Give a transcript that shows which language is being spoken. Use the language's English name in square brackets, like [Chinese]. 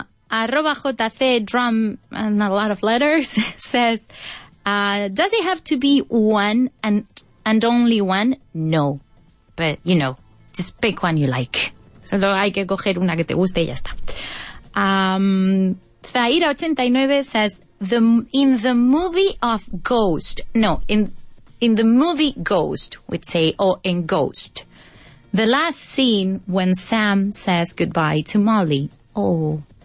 [English] Arroba JC drum and a lot of letters says, does it have to be one and only one? No. But, you know, just pick one you like. [Spanish] Solo hay que coger una que te guste y ya está. [English] Zaira 89 says, in the movie Ghost, we'd say, or in Ghost, the last scene when Sam says goodbye to Molly. Oh.